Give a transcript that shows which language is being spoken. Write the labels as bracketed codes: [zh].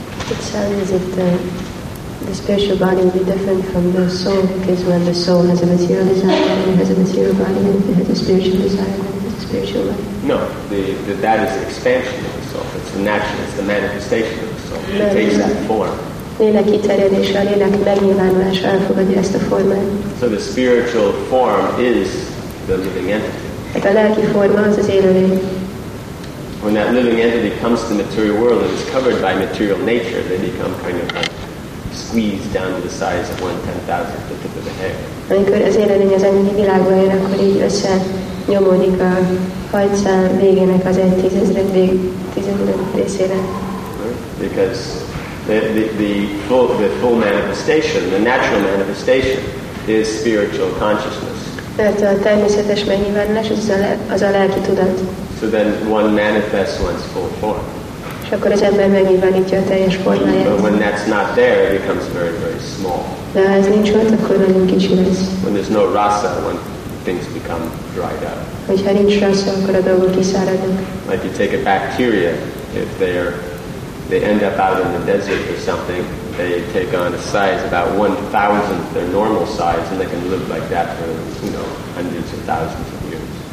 [en] The spiritual body will be different from the soul, because when the soul has a material desire, then it has a material body, and if it has a spiritual desire, then it has a spiritual body. No, that is the expansion of the soul. It's the natural, it's the manifestation of the soul. It takes that form. [hu] Lélek kiterjedése, a lélek megnyilvánulása elfogadja ezt a formát. [en] So the spiritual form is the living entity. [hu] Hát a lelki forma az az élőlény. [en] When that living entity comes to the material world and is covered by material nature, they become kind of like squeezed down to the size of 1/10,000th the tip of a hair. [hu] Amikor az élőlény az anyagi világba ér, akkor így össze nyomódik a hajca végének az 1/10,000 részére. [en] Because the full manifestation, the natural manifestation, is spiritual consciousness. [hu] Mert a természetes megnyilvánulás az a lelki tudat. [en] So then one manifests one's full form. [hu] És akkor az ember megnyilvánítja a teljes formáját. [en] But when that's not there, it becomes very, very small. [hu] De ha ez nincs ott, akkor nagyon kicsi lesz. [en] When there's no rasa, when things become dried up. [hu] Hogyha nincs rasa, akkor a dolgok kiszáradnak. [en] Like you take a bacteria, if they end up out in the desert or something, they take on a size about 1/1,000th their normal size, and they can live like that for, you know, hundreds of thousands of years.